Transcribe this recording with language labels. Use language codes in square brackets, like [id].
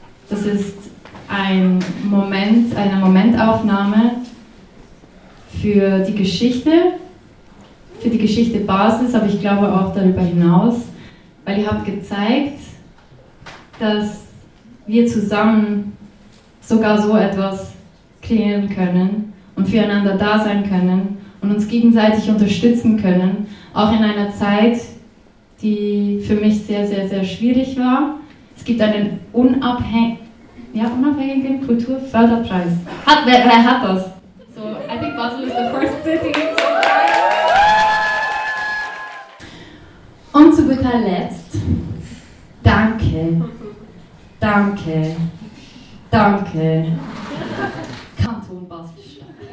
[de] Das ist ein Moment, eine Momentaufnahme für die Geschichte Basis, aber ich glaube auch darüber hinaus, weil ihr habt gezeigt, dass wir zusammen sogar so etwas kreieren können und füreinander da sein können und uns gegenseitig unterstützen können, auch in einer Zeit, die für mich sehr, sehr, sehr schwierig war. Es gibt einen unabhängigen Kulturförderpreis. Wer hat das? [en] So, I think Basel is the first city. [de] Und zu guter Letzt, danke, danke, danke, Kanton Basel-Stadt.